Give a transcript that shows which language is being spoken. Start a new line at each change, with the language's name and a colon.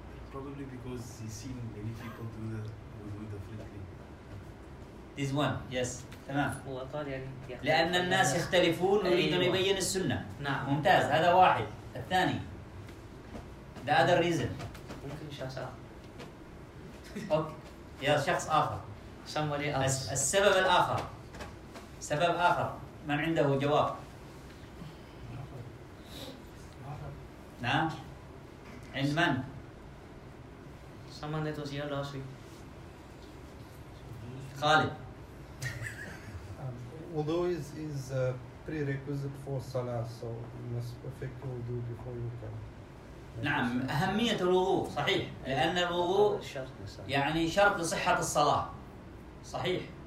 English: Probably because he's seen many people do the wudu differently. This one, yes.
Arabic: تمام. هو قال يعني. لأن الناس يختلفون ويريدون أن يبين السنة. نعم. ممتاز. هذا واحد. الثاني.
English: The other reason.
Arabic: ممكن شخص آخر. أوكي. يا شخص آخر.
English: Somebody else.
Arabic: السبب الآخر. سبب آخر. من عنده جواب؟ نعم. عند من؟
English: Someone that was here last week.
Arabic: خالد.
English: Wudu is a prerequisite for salah, so you must perfect your wudu before you can.
Arabic: نعم، أهمية الوضوء صحيح، لأن الوضوء يعني شرط لصحة الصلاة، صحيح.